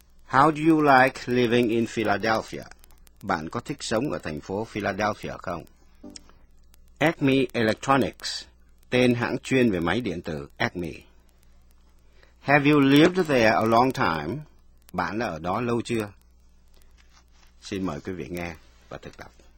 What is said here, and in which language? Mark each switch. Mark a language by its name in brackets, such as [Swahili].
[English] How do you like living in Philadelphia? [Vietnamese] Bạn có thích sống ở thành phố Philadelphia không? Acme Electronics. Tên hãng chuyên về máy điện tử Acme. [English] Have you lived there a long time? [Vietnamese] Bạn đã ở đó lâu chưa? Xin mời quý vị nghe và thực tập.